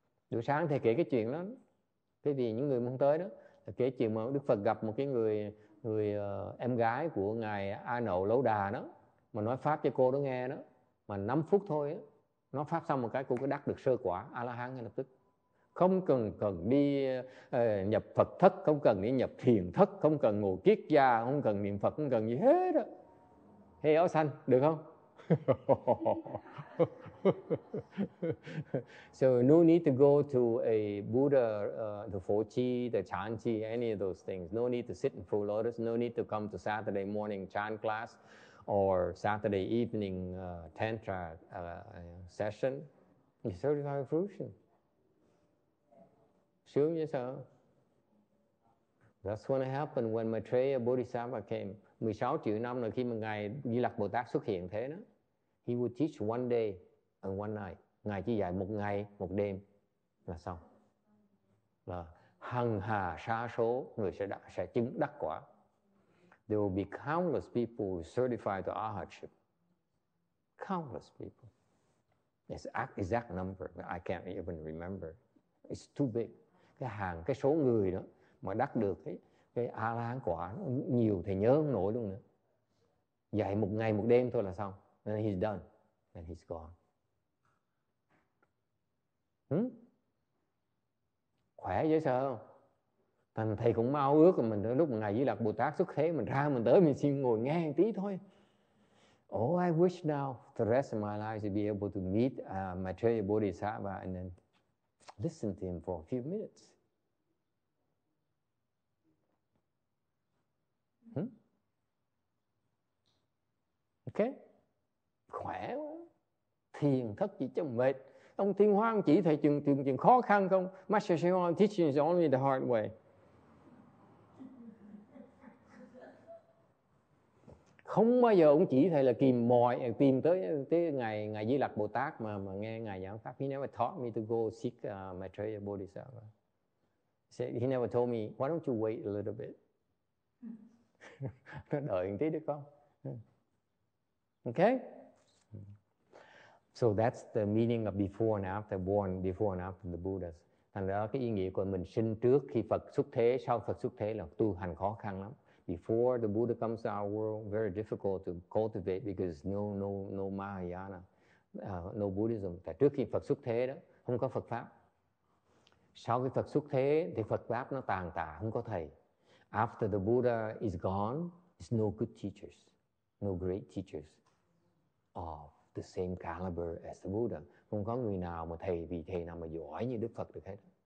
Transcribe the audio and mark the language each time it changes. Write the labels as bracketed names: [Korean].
[Vietnamese] Buổi sáng thầy kể cái chuyện đó, cái vì những người muốn tới đó, là kể chuyện mà Đức Phật gặp một cái người em gái của ngài A Nậu Lâu Đà đó, mà nói pháp cho cô đó nghe đó, mà 5 phút thôi, nó pháp xong một cái cô có đắc được sơ quả A La Hán ngay lập tức, không cần cần đi nhập Phật thất, không cần đi nhập thiền thất, không cần ngồi kiết gia, không cần niệm Phật, không cần gì hết đó, hay áo xanh được không? [English] So no need to go to a Buddha, the Fo Chi, the Chan Chi, any of those things. No need to sit in full lotus. No need to come to Saturday morning Chan class or Saturday evening Tantra session. You certify fruition. [Vietnamese] Sướng như sao? [English] That's what happened when Maitreya Bodhisattva came. [Vietnamese] 16 triệu năm rồi khi mà Ngài Di Lặc Bồ Tát xuất hiện thế đó. [English] He would teach one day. And one night, [Vietnamese] Ngài chỉ dạy một ngày, một đêm là xong. Là hằng hà sa số, người sẽ chứng đắc quả. [English] There will be countless people certified to Arahatship. Countless people. It's an exact number. I can't even remember. It's too big. [Vietnamese] Cái số người đó mà đắc được ấy, cái A-la-hán quả nó nhiều, thầy nhớ không nổi luôn nữa. Dạy một ngày, một đêm thôi là xong. [English] Then he's done. Then he's gone. [Vietnamese] Khỏe dễ sợ không? Thầy cũng mau ước của mình lúc ngày Di Lặc Bồ Tát xuất thế, mình ra mình tới mình xin ngồi nghe một tí thôi. [English] Oh, I wish now the rest of my life to be able to meet Maitreya Bodhisattva and then listen to him for a few minutes. [Vietnamese] Okay. Khỏe quá. Thiền thất gì chứ mệt. Ông Thiên Hoàng chỉ thầy chừng khó khăn không? [English] Master Thiên Hoàng teaching is only the hard way. [Vietnamese] Không bao giờ ông chỉ thầy là tìm tới ngày Di Lặc Bồ Tát mà nghe ngài giảng pháp. [English] He never taught me to go seek Maitreya Bodhisattva. He never told me, why don't you wait a little bit? [Vietnamese] Đợi một tí được không? [English] Okay? So that's the meaning of before and after, born before and after the Buddha. [Vietnamese] Thành ra cái ý nghĩa của mình sinh trước khi Phật xuất thế, sau Phật xuất thế là tu hành khó khăn lắm. [English] Before the Buddha comes to our world, very difficult to cultivate because no Mahayana, no Buddhism. [Vietnamese] Tại trước khi Phật xuất thế đó, không có Phật Pháp. Sau khi Phật xuất thế thì Phật Pháp nó tàn tạ, không có thầy. [English] After the Buddha is gone, there's no good teachers, no great teachers. The same caliber as the Buddha. [Vietnamese] Không có người nào mà thầy vì thầy nào mà giỏi như Đức Phật được hết.